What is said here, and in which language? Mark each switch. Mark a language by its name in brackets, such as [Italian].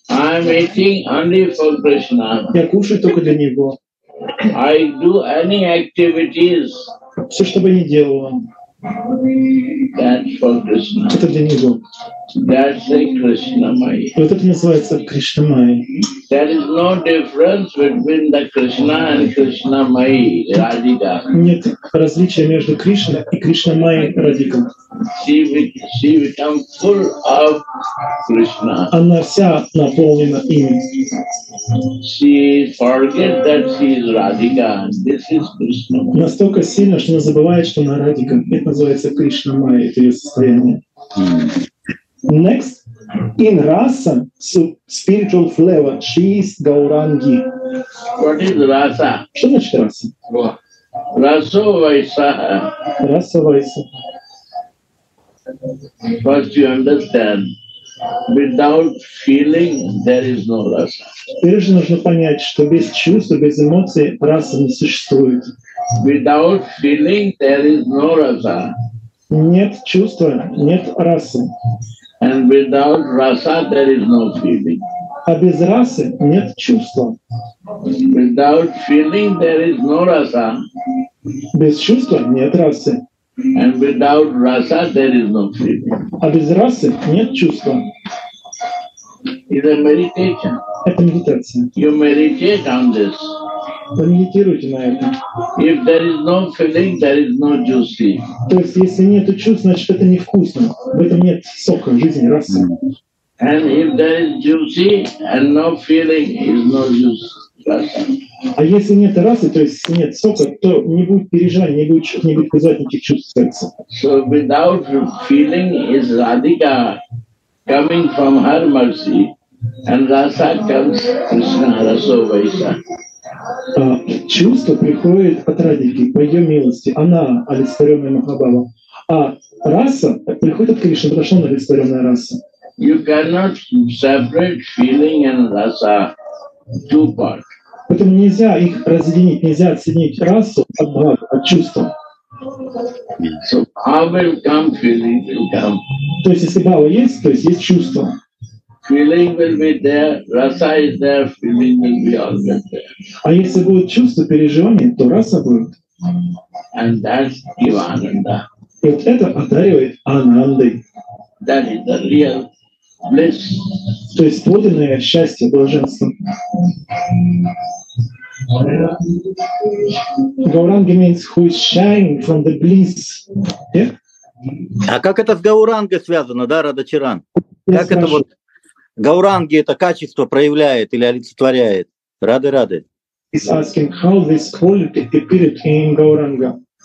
[English] I am eating only for Krishna. [Russian] Я кушаю только для него. [English] I do any activities. [Russian] Все, что бы я ни делала. [English] That's for Krishna. [Russian] Это для него. [English] That's a Krishna Maya. [Russian] Вот это называется Кришна Майя. [English] There is no difference between the Krishna and Krishna Maya Radhika. [Russian] Нет различия между Кришной и Кришна Майей Радхикой. [English] She become full of Krishna. [Russian] Она вся наполнена им. [English] She forget that she is Radhika. This is Krishna Maya. [Russian] Настолько сильно, что она забывает, что она Радхика. Это называется Кришна Майя, это ее состояние. [English] Next, in rasa, so spiritual flavor, she is Gaurangi. What is rasa? [Russian] Что значит раса? [Sanskrit] Rasa vaisa. Rasa vaisa. [English] First you understand, without feeling, there is no rasa. [Russian] Прежде нужно понять, что без чувств, без эмоций раса не существует. [English] Without feeling, there is no rasa. [Russian] Нет чувства, нет расы. [English] And without rasa, there is no feeling. [Russian] А без расы нет чувства. [English] Without feeling, there is no rasa. [Russian] Без чувства нет расы. [English] And without rasa, there is no feeling. [Russian] А без расы нет чувства. [English] It's a meditation. [Russian] Это медитация. [English] You meditate on this. [Russian] Вы медитируете на этом. [English] If there is no feeling, there is no juicy. [Russian] То есть, если нет чувств, значит, это невкусно. В этом нет сока, жизни, расы. [English] And if there is juicy and no feeling, is no juice. [Russian] А если нет расы, то есть нет сока, то не будет переживания, не будет вызывать никаких чувств в сердце. [English] So without feeling is Radhika coming from her mercy. And rasa comes Krishna [Sanskrit] raso vaisa. [Russian] Чувство приходит от Радхики, по ее милости. Она олицетворённая Махабхава. А раса приходит от Кришны, потому что она олицетворённая раса. [English] You cannot separate feeling and rasa two parts. [Russian] Поэтому нельзя их разъединить, нельзя отсоединить расу от Бхавы, от чувства. [English] So Bhava will come, feeling will come. [Russian] То есть если Бхава есть, то есть чувство. [English] Feeling will be there, rasa is there, feeling will be all there. [Russian] А если будет чувство, переживание, то раса будет. [English] And that's Ivananda. [Russian] Вот это одаривает Анандой. [English] That is the real bliss. [Russian] То есть подлинное счастье, блаженство. [English] Гауранга means who is shining from the bliss. Yeah? [Russian] А как это с Гаурангой связано, да, Радхачаран? Как это вот? Гауранги это качество проявляет или олицетворяет. Рады-рады. [English] He's asking how this quality appeared in Gauranga.